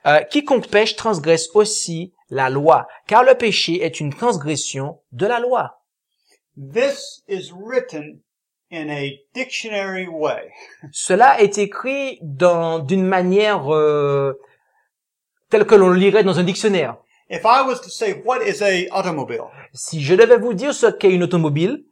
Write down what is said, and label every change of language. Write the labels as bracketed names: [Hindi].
[French] Quiconque pêche transgresse aussi la loi, car le péché est une transgression de la loi. [English] This is written in a dictionary way. [French] Cela est écrit d'une manière telle que l'on lirait dans un dictionnaire. [English] If I was to say what is a automobile? [French] Si je devais vous dire ce qu'est une automobile.